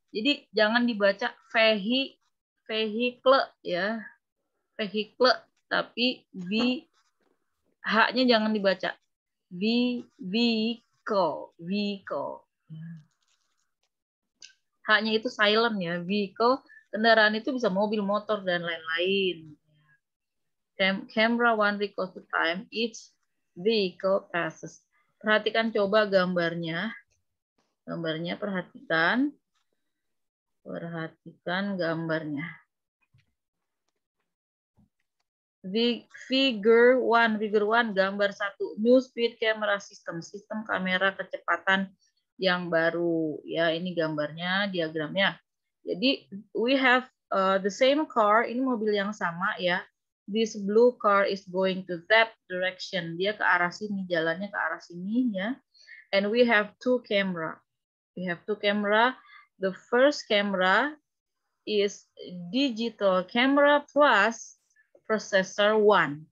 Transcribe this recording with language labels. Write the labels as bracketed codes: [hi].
[id] Jadi jangan dibaca vehicle, ya, vehicle, tapi h-nya jangan dibaca vehicle. H-nya itu silent, ya, vehicle. Kendaraan itu bisa mobil, motor, dan lain-lain. [en] Camera one records the time each vehicle passes. [id] Perhatikan coba gambarnya. Gambarnya perhatikan. Perhatikan gambarnya. [en] Figure one, [id] gambar satu. [en] New speed camera system. [id] Sistem kamera kecepatan yang baru. Ya, ini gambarnya, diagramnya. Jadi, [en] we have the same car. [id] Ini mobil yang sama, ya. [en] This blue car is going to that direction. [id] Dia ke arah sini, jalannya ke arah sini, ya. [en] And we have two camera. We have two camera. The first camera is digital camera plus processor one.